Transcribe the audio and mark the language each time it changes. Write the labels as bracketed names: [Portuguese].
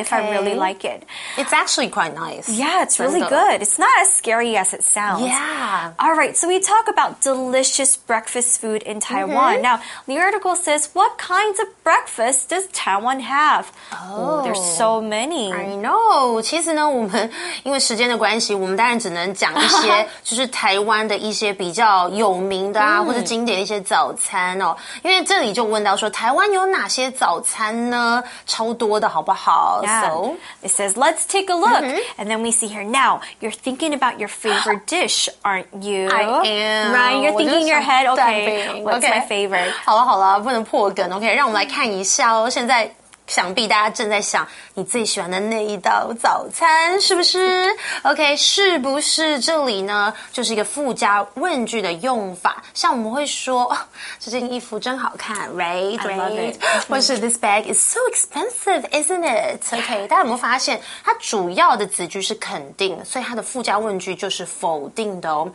[English] if I really like it. It's actually quite nice. Yeah, it's really good. It's not as scary as it sounds. Yeah. All right, so we talk about delicious breakfast food in Taiwan.、Mm-hmm. Now, the article says, what kinds of breakfast does Taiwan have? Oh, oh there's so many. I know. [Chinese] 其实呢我们因为时间的关系我们当然只能讲一些就是台湾的一些比较有名的啊、mm. 或者经典的一些早餐哦。因为这里就问到说台湾有哪些早餐呢超多的好不好 [English] Yeah, it says let's take a look、mm-hmm. And then we see here now You're thinking about your favorite dish, aren't you? I am Right, you're thinking in your head Okay, what's okay. my favorite? [Chinese] 好了好了不能破梗 OK, 让我们来看一下哦现在想必大家正在想你最喜欢的那一道早餐是不是 OK 是不是这里呢就是一个附加问句的用法像我们会说、哦、这件衣服真好看 Right, [English] I love it [Chinese] 或是 [English] This bag is so expensive, isn't it? [Chinese] OK 大家有没有发现它主要的子句是肯定所以它的附加问句就是否定的哦、